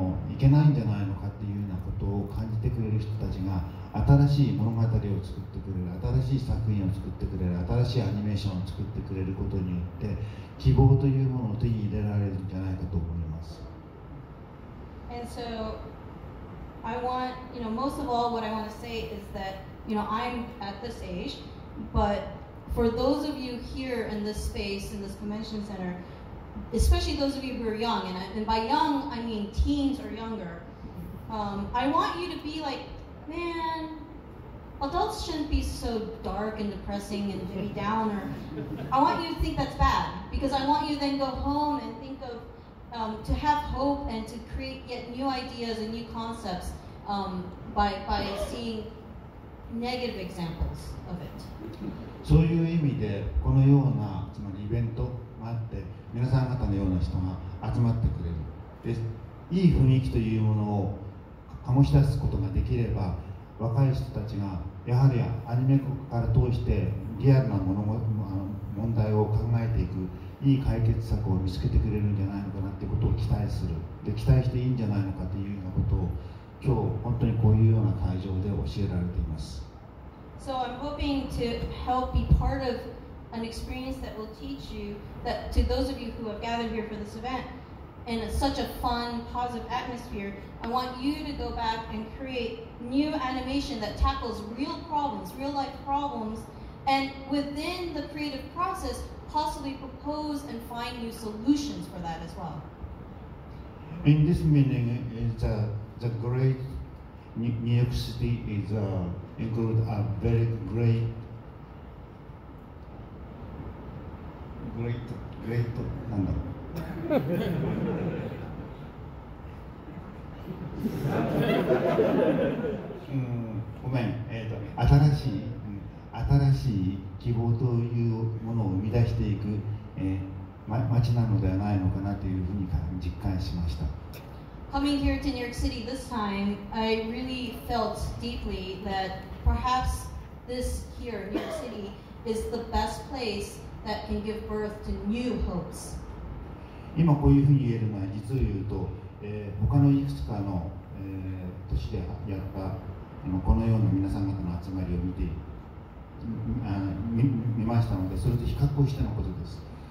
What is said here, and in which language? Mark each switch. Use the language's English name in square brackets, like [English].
[Japanese] いけないんじゃないのかっていうようなことを感じてくれる人たちが新しい物語を作ってくれる、新しい作品を作ってくれる、新しいアニメーションを作ってくれることによって希望というものを手に入れられるんじゃないかと思います。 [English] And so I want, you know, most of all what I want to say is that, you know, I'm at this age, butFor those of you here in this space, in this convention center, especially those of you who are young, and by young, I mean teens or younger, I want you to be like, man, adults shouldn't be so dark and depressing and to be downer. I want you to think that's bad, because I want you to then go home and think of, to have hope and to create yet new ideas and new concepts by seeing negative examples of it. [Japanese] そういう意味でこのようなつまりイベントがあって皆さん方のような人が集まってくれる、でいい雰囲気というものを醸し出すことができれば、若い人たちがやはりアニメから通してリアルな問題を考えていく、いい解決策を見つけてくれるんじゃないのかなということを期待する、で期待していいんじゃないのかというようなことを今日本当にこういうような会場で教えられています。 [English] So I'm hoping to help be part of an experience that will teach you that to those of you who have gathered here for this event in such a fun, positive atmosphere, I want you to go back and create new animation that tackles real problems, real life problems, and within the creative process, possibly propose and find new solutions for that as well. In this meaning, the great New York City is a... include a very great number. [Japanese] ごめん、新しい希望というものを生み出していく、街なのではないのかなというふうに実感しました。 [English] Coming here to New York City this time, I really felt deeply that perhaps this here, New York City, is the best place that can give birth to new hopes. [Japanese] 今こういうふうに言えるのは、実を言うと、他のいくつかの、都市でやったこのような皆さん方の集まりを見ましたので、それと比較してのことです。